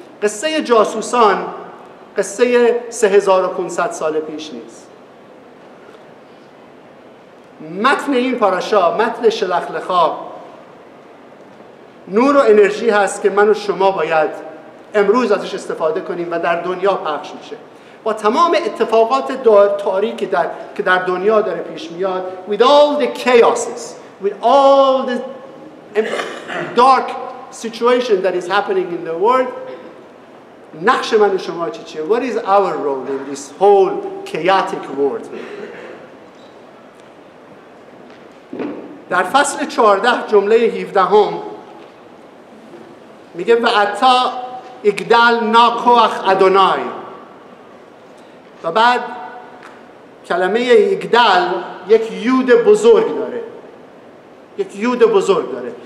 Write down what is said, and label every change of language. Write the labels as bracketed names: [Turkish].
[Persian] قصه جاسوسان قصه 3500 سال پیش نیست. متن این پاراشا، متن شلخ لخا نور و انرژی هست که من و شما باید امروز ازش استفاده کنیم و در دنیا پخش میشه. با تمام اتفاقات تاریکی که در دنیا داره پیش میاد، [English] with all the chaoses, with all the dark situation that is happening in the world, [Persian] نقش من و شما چیه؟ [English] What is our role in this whole chaotic world? [Persian] در فصل 14 جمله 17 هم میگه [Hebrew] و اتا اگدل ناکوخ ادونای، [Persian] و بعد کلمه اگدل یک یود بزرگ داره، یک یود بزرگ داره.